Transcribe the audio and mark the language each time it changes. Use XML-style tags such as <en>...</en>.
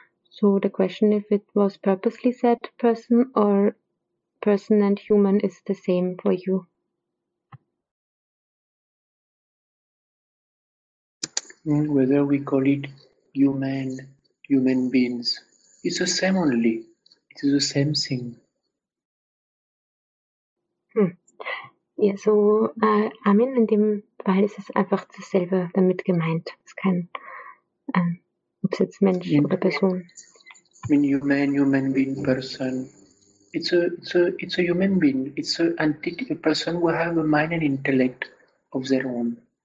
<en>So the question, if it was purposely said person or person and human is the same for you? Whether we call it human beings, it's the same only. It is the same thing.</en> <de>Ja, so Armin, in dem Fall ist es einfach dasselbe damit gemeint. Es ist kein, ob es jetzt Mensch oder Person.</de> <en>I mean human being, person. It's a human being. It's an entity, a person who have a mind and intellect of their own.</en>